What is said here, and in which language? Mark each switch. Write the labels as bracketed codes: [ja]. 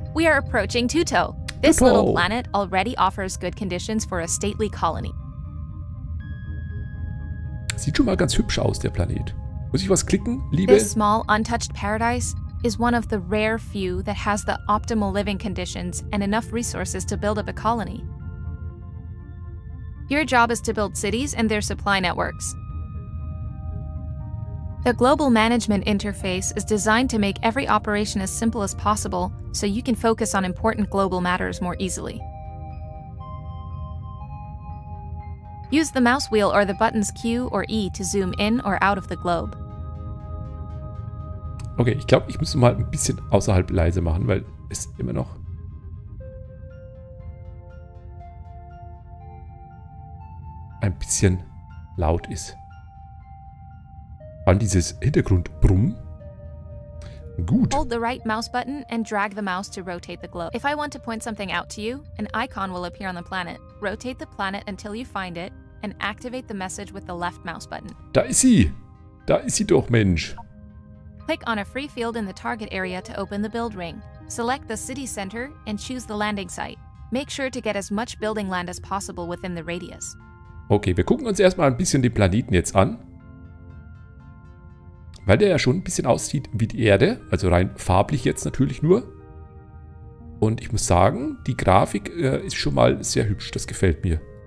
[en] We are approaching Tuto. This Tuto. Little planet already offers good conditions for a stately colony. [de] Sieht schon mal ganz hübsch aus, der Planet. Muss ich was klicken, liebe? [en] This small, untouched paradise is one of the rare few that has the optimal living conditions and enough resources to build up a colony. Your job is to build cities and their supply networks. The global management interface is designed to make every operation as simple as possible so you can focus on important global matters more easily. Use the mouse wheel or the buttons Q or E to zoom in or out of the globe. [de] Okay, ich glaube, ich muss mal ein bisschen außerhalb leise machen, weil es immer noch... ein bisschen laut ist. Dann dieses Hintergrundbrummen. Gut. [en] Hold the right mouse button and drag the mouse to rotate the globe. If I want to point something out to you, an icon will appear on the planet. Rotate the planet until you find it and activate the message with the left mouse button. [de] Da ist sie. Da ist sie doch, Mensch. [en] Click on a free field in the target area to open the build ring. Select the city center and choose the landing site. Make sure to get as much building land as possible within the radius. [de] Okay, wir gucken uns erstmal ein bisschen die Planeten jetzt an. Weil der ja schon ein bisschen aussieht wie die Erde, also rein farblich jetzt natürlich nur. Und ich muss sagen, die Grafik ist schon mal sehr hübsch, das gefällt mir.